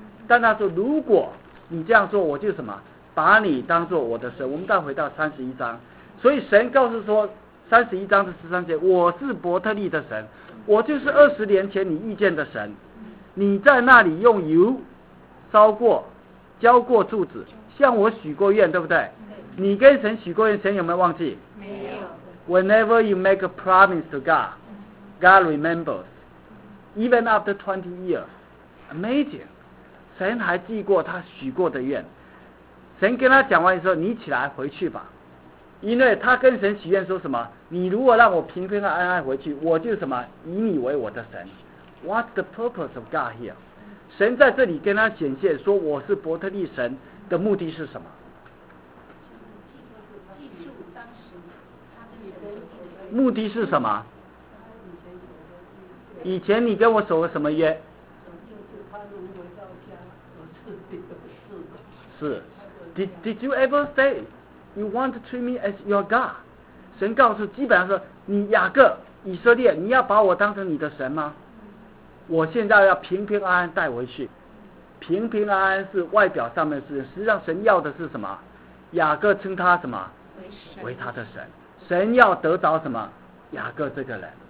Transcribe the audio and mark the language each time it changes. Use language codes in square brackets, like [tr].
[zh] 但他说，如果你这样做，我就什么，把你当作我的神。我们再回到31章，所以神告诉说，31:13，我是伯特利的神，我就是二十年前你遇见的神。你在那里用油烧过浇过柱子，向我许过愿，对不对？你跟神许过愿，神有没有忘记？没有。 [en] Whenever you make a promise to God, God remembers. Even after 20 years. Amazing. [zh] 神还记过他许过的愿。神跟他讲完说，你起来回去吧。因为他跟神许愿说什么，你如果让我平平安安回去，我就什么，以你为我的神。 [en] What's the purpose of God here? [zh] 神在这里跟他显现说，我是伯特利神的目的是什么？目的是什么？以前你跟我守了什么约？是。 [en] Did you ever say you want to treat me as your God? [zh] 神告诉，基本上说，你雅各以色列，你要把我当成你的神吗？我现在要平平安安带回去。平平安安是外表上面的事情，实际上神要的是什么？雅各称他什么？为他的神。神要得着什么？雅各这个人。